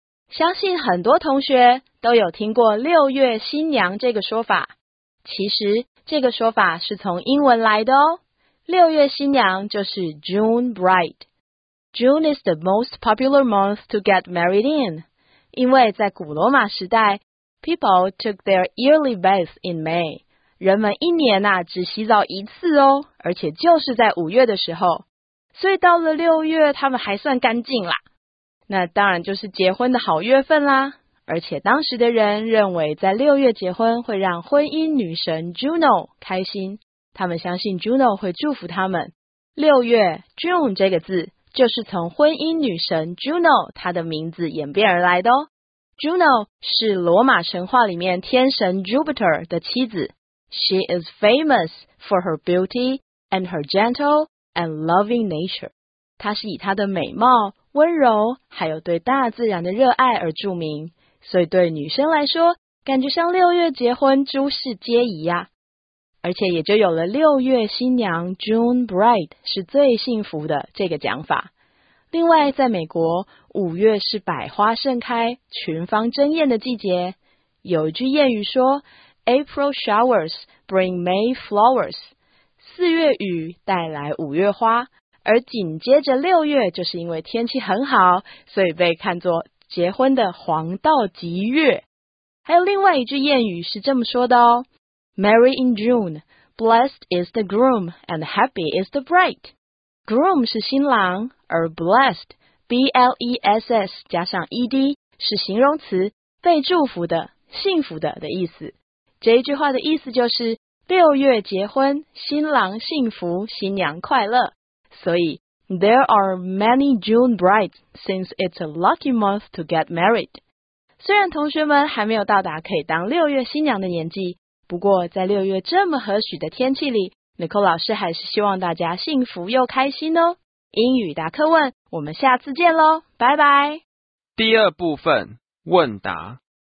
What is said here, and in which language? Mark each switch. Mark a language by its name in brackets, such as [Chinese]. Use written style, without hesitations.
[Chinese] 相信很多同学都有听过六月新娘这个说法。其实这个说法是从英文来的哦。六月新娘就是 [English] June Bride。 June is the most popular month to get married in. [Chinese] 因为在古罗马时代 [English] ,people took their yearly bath in May. [Chinese] 人们一年啊只洗澡一次哦，而且就是在五月的时候。所以到了六月他们还算干净啦。那当然就是结婚的好月份啦。而且当时的人认为在六月结婚会让婚姻女神 Juno 开心。他们相信 Juno 会祝福他们。六月 June 这个字就是从婚姻女神 Juno 她的名字演变而来的哦。 Juno 是罗马神话里面天神 Jupiter 的妻子。 [English] She is famous for her beauty and her gentle and loving nature. [Chinese] 她是以她的美貌、温柔还有对大自然的热爱而著名。所以对女生来说感觉像六月结婚诸事皆宜啊。而且也就有了六月新娘 [English] June Bride [Chinese] 是最幸福的这个讲法。另外在美国五月是百花盛开群芳争艳的季节。有一句谚语说 [English] April showers bring May flowers， [Chinese] 四月雨带来五月花，而紧接着六月就是因为天气很好，所以被看作结婚的黄道吉月。还有另外一句谚语是这么说的哦， [English] Marry in June, blessed is the groom, and happy is the bride. [Chinese] Groom 是新郎，而 blessed, B-L-E-S-S 加上 E-D 是形容词，被祝福的、幸福的的意思。这一句话的意思就是六月结婚，新郎幸福，新娘快乐。所以 [English] There are many June brides since it's a lucky month to get married. [Chinese] 虽然同学们还没有到达可以当六月新娘的年纪，不过在六月这么和煦的天气里， Nicole 老师还是希望大家幸福又开心哦。英语答客问，我们下次见咯，拜拜。第二部分问答。